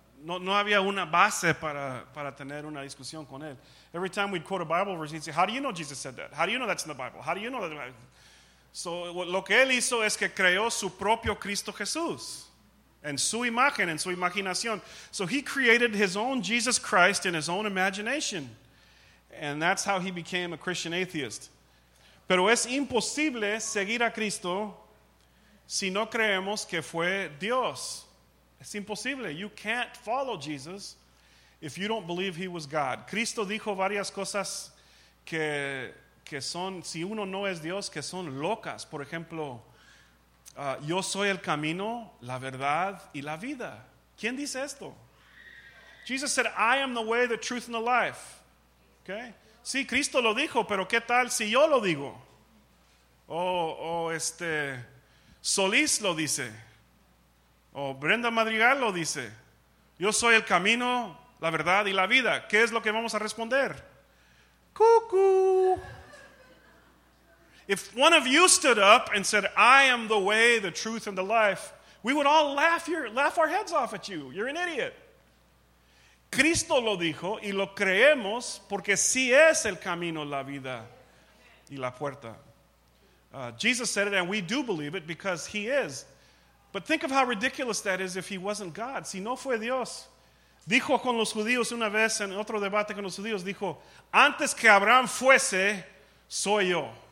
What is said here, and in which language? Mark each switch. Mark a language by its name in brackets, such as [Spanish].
[Spanish] no había una base para tener una discusión con él. [English] Every time we'd quote a Bible verse, he'd say, "How do you know Jesus said that? How do you know that's in the Bible? How do you know that?" [Spanish] So lo que él hizo es que creó su propio Cristo Jesús en su imagen, en su imaginación. [English] So he created his own Jesus Christ in his own imagination. And that's how he became a Christian atheist. [Spanish] Pero es imposible seguir a Cristo si no creemos que fue Dios. Es imposible. [English] You can't follow Jesus if you don't believe he was God. [Spanish] Cristo dijo varias cosas que son, si uno no es Dios, que son locas. Por ejemplo, yo soy el camino, la verdad y la vida. ¿Quién dice esto? [English] Jesus said, "I am the way, the truth, and the life." Okay. [Spanish] Sí, Cristo lo dijo, pero ¿qué tal si yo lo digo? O Solís lo dice. O Brenda Madrigal lo dice. Yo soy el camino, la verdad y la vida. ¿Qué es lo que vamos a responder? ¡Cucú! [English] If one of you stood up and said, "I am the way, the truth, and the life," we would all laugh our heads off at you. You're an idiot. [Spanish] Cristo lo dijo y lo creemos porque sí es el camino, la vida y la puerta. [English] Jesus said it and we do believe it because he is. But think of how ridiculous that is if he wasn't God. [Spanish] Si no fue Dios. Dijo con los judíos una vez en otro debate con los judíos, dijo, "Antes que Abraham fuese, soy yo."